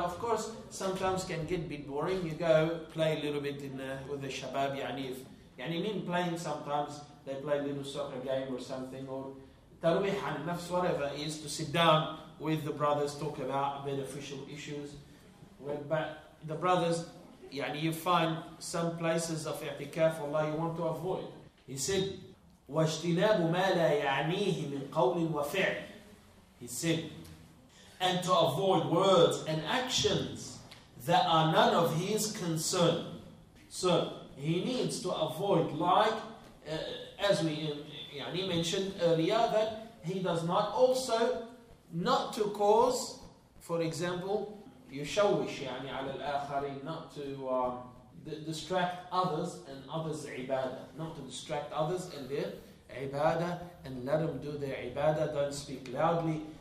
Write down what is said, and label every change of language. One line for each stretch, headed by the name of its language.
English: Of course, sometimes can get a bit boring, you go play a little bit with the shabab, yani mean playing sometimes, they play a little soccer game or something, or tarwih an nafs, whatever it is, to sit down with the brothers, talk about beneficial issues. But the brothers, يعني you find some places of اعتكاف والله you want to avoid. He said
Arabic: واجتناب ما لا يعنيه من قول وفعل.
English: He said and to avoid words and actions that are none of his concern. So he needs to avoid, like as we يعني mentioned earlier, that he does not also not to cause, for example,
Arabic: يشوش يعني على الآخرين,
English: not to distract others and others' عبادة, not to distract others and their عبادة, and let them do their عبادة, don't speak loudly.